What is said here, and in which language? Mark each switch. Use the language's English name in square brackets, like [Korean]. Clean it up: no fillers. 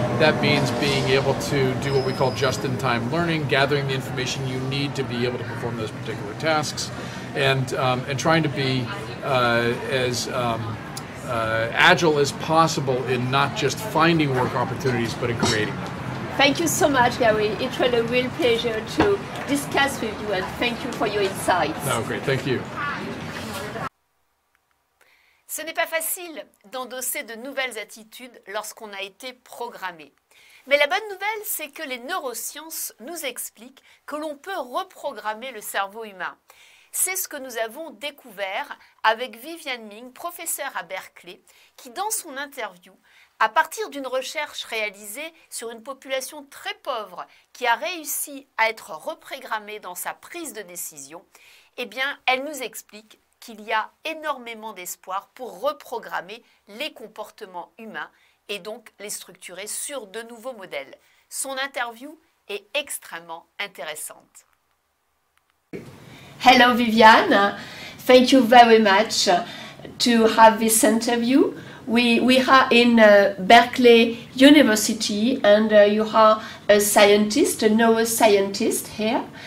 [English] That means being able to do what we call just-in-time learning, gathering the information you need to be able to perform those particular tasks, and trying to be as agile as possible in not just finding work opportunities, but in creating them. Thank you so much, Gary. It was a real pleasure to discuss with you, and thank you for your insights. No, great. Thank you. [French] Ce n'est pas facile d'endosser de nouvelles attitudes lorsqu'on a été programmé. Mais la bonne nouvelle, c'est que les neurosciences nous expliquent que l'on peut reprogrammer le cerveau humain. C'est ce que nous avons découvert avec Vivian Ming, professeure à Berkeley, qui, dans son interview, à partir d'une recherche réalisée sur une population très pauvre qui a réussi à être reprogrammée dans sa prise de décision, eh bien, elle nous explique qu'il y a énormément d'espoir pour reprogrammer les comportements humains et donc les structurer sur de nouveaux modèles. Son interview est extrêmement intéressante. [English] Hello Vivian, thank you very much to have this interview. We are in Berkeley University and you are a scientist, a neuroscientist here.